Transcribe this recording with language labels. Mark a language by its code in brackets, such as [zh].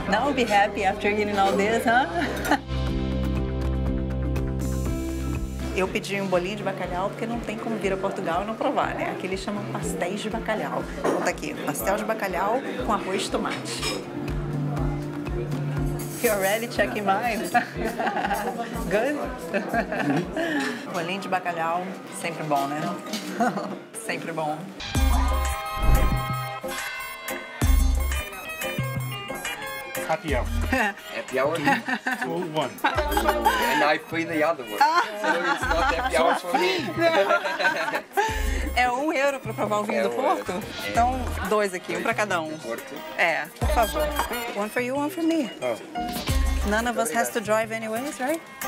[en] Now I'll be happy after eating all this, huh? [pt] Eu pedi um bolinho de bacalhau porque não tem como vir a Portugal e não provar, né? Aqui eles chamam pastéis de bacalhau. Então tá aqui, pastel de bacalhau com arroz e tomate. [en] You already checking mine? Good? [pt] Bolinho de bacalhau, sempre bom, né? Sempre bom. [en] Happy hour. Happy hour? Full one. And I play the other one. So it's not happy hour for me. [pt] É um euro para provar o vinho do Porto? É. Então, dois aqui, um para cada um. Porto? É, por favor. [en] One for you, one for me. [pt] Oh. [en] None of us has to drive anyways, right?